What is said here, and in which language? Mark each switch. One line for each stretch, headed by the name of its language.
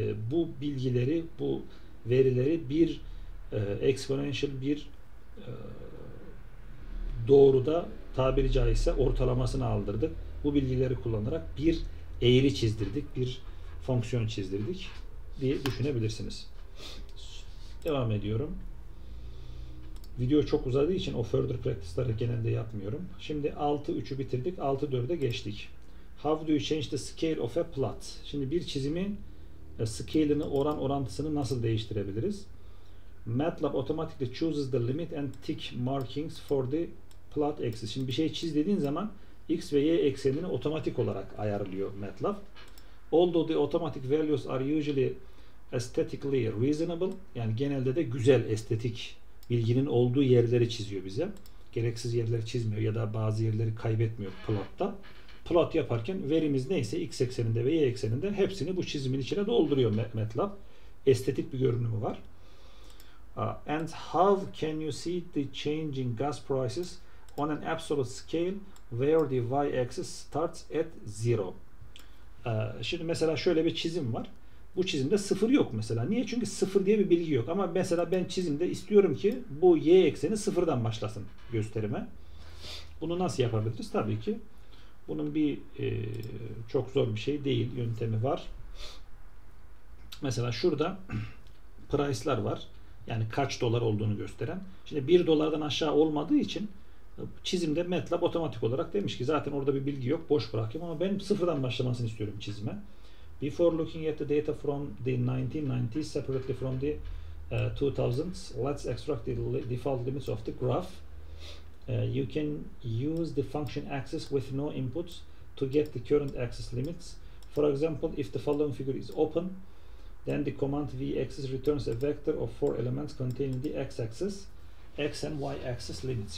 Turkish: Bu bilgileri, bu verileri bir exponential, bir doğruda tabiri caizse ortalamasını aldırdık. Bu bilgileri kullanarak bir eğri çizdirdik, bir fonksiyon çizdirdik diye düşünebilirsiniz. Devam ediyorum. Video çok uzadığı için o further practice'ları genelde yapmıyorum. Şimdi 6-3'ü bitirdik. 6-4'e geçtik.
English: How do you change the scale of a plot?
Turkish: Şimdi bir çizimin scale'ını, oran orantısını nasıl değiştirebiliriz?
English: MATLAB automatically chooses the limit and tick markings for the plot axis.
Turkish: Şimdi bir şey çiz dediğin zaman x ve y eksenini otomatik olarak ayarlıyor MATLAB.
English: Although the automatic values are usually aesthetically reasonable.
Turkish: Yani genelde de güzel, estetik bilginin olduğu yerleri çiziyor bize. Gereksiz yerleri çizmiyor ya da bazı yerleri kaybetmiyor plotta. Plot yaparken verimiz neyse x ekseninde ve y ekseninde hepsini bu çizimin içine dolduruyor MATLAB. Estetik bir görünümü var.
English: And how can you see the changing gas prices on an absolute scale where the y-axis starts at zero?
Turkish: Şimdi mesela şöyle bir çizim var. Bu çizimde sıfır yok mesela. Niye? Çünkü sıfır diye bir bilgi yok. Ama mesela ben çizimde istiyorum ki bu y ekseni sıfırdan başlasın gösterime. Bunu nasıl yapabiliriz? Tabii ki bunun bir çok zor bir şey değil. Yöntemi var. Mesela şurada price'lar var. Yani kaç dolar olduğunu gösteren. Şimdi 1 dolardan aşağı olmadığı için çizimde MATLAB otomatik olarak demiş ki zaten orada bir bilgi yok, boş bırakayım ama ben sıfırdan başlamasını istiyorum çizime.
English: Before looking at the data from the 1990s separately from the 2000s, let's extract the default limits of the graph. You can use the function axis with no inputs to get the current access limits. For example, if the following figure is open, then the command vaccess returns a vector of four elements containing the x-axis, x and y-axis limits.